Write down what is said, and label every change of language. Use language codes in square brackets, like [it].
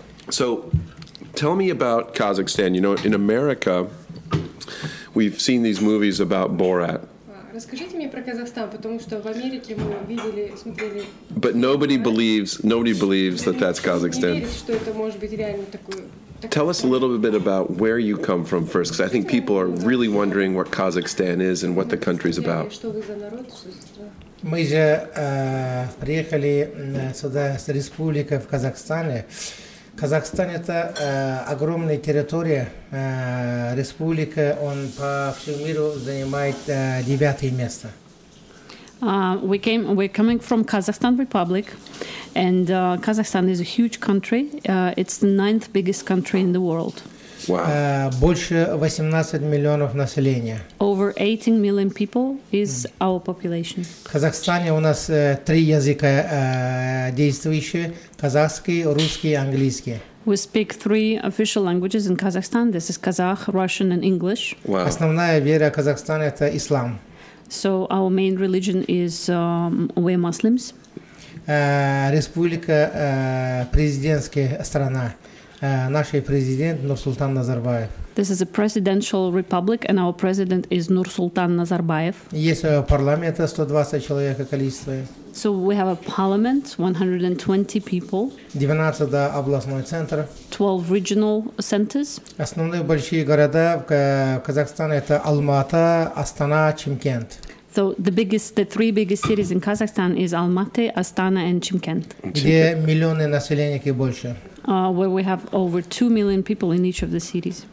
[en] So, tell me about Kazakhstan. You know, in America, we've seen these movies about Borat. [ru] Расскажите мне про Казахстан, потому что в Америке мы видели, смотрели. [en] But nobody believes that that's Kazakhstan. [ru] Не верит, что это может быть реально такое. [en] Tell us a little bit about where you come from first, because I think people are really wondering what Kazakhstan is and what the country is about. [ru] Что вы за народ? Мы же приехали сюда с республики в Казахстане. Казахстан это огромная территория, республика, он по всему миру занимает девятое место. [en] We're coming from Kazakhstan Republic, and Kazakhstan is a huge country. It's the ninth biggest country in the world. Wow. [ru] Больше 18 миллионов населения. [en] Over 18 million people is our population. [ru] В Казахстане у нас три языка действующие: казахский, русский, английский. [en] We speak three official languages in Kazakhstan. This is Kazakh, Russian, and English. Wow. [ru] Основная вера Казахстана это ислам. [en] So our main religion is we're Muslims. [ru] Республика президентская страна. Наш президент Нурсултан Назарбаев. [en] This is a presidential republic, and our president is Nursultan Nazarbayev. [ru] Есть парламент, 120 человек количество. [en] So we have a parliament, 120 people. [ru] 12 областной центр. [en] 12 regional centers. [ru] Основные большие города в Казахстане это Алматы, Астана, Чимкент. [en] So the three biggest cities in Kazakhstan is Алматы, Астана, and Чимкент. [ru] Где миллионы населения и больше. [en] Where we have over 2 million people in each of the cities.